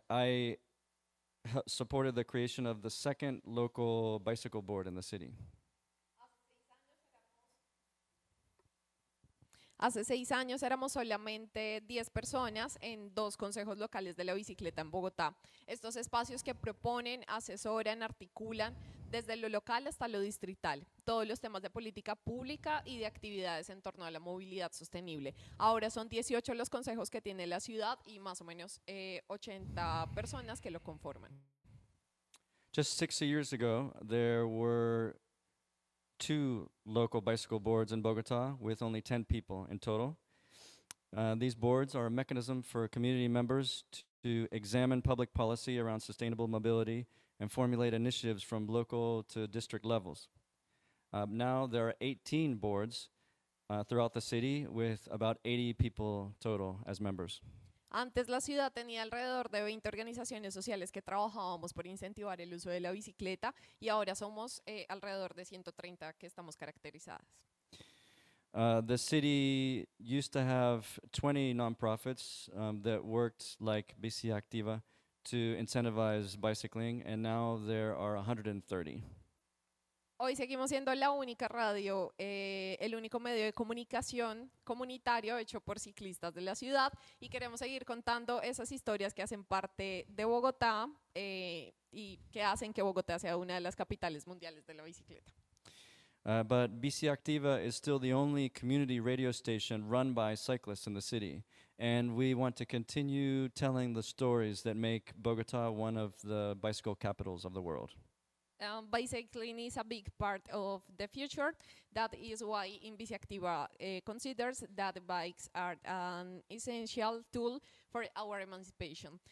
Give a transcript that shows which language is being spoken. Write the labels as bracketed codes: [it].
[en] And I supported the creation of the second local bicycle board in the city. [es] Hace 6 años éramos solamente 10 personas en 2 consejos locales de la bicicleta en Bogotá. Estos espacios que proponen, asesoran, articulan desde lo local hasta lo distrital, todos los temas de política pública y de actividades en torno a la movilidad sostenible. Ahora son 18 los consejos que tiene la ciudad y más o menos 80 personas que lo conforman. [en] Just 60 years ago, there were 2 local bicycle boards in Bogotá with only 10 people in total. These boards are a mechanism for community members to examine public policy around sustainable mobility and formulate initiatives from local to district levels. Now there are 18 boards throughout the city with about 80 people total as members. [es] Antes la ciudad tenía alrededor de 20 organizaciones sociales que trabajábamos por incentivar el uso de la bicicleta y ahora somos alrededor de 130 que estamos caracterizadas. [en] The city used to have 20 nonprofits that worked like Bici Activa to incentivize bicycling, and now there are 130. [es] Hoy seguimos siendo la única radio, el único medio de comunicación comunitario hecho por ciclistas de la ciudad y queremos seguir contando esas historias que hacen parte de Bogotá y que hacen que Bogotá sea una de las capitales mundiales de la bicicleta. [en] But Bici Activa is still the only community radio station run by cyclists in the city, and we want to continue telling the stories that make Bogotá one of the bicycle capitals of the world. Bicycling is a big part of the future. That is why in Bici Activa considers that bikes are an essential tool for our emancipation.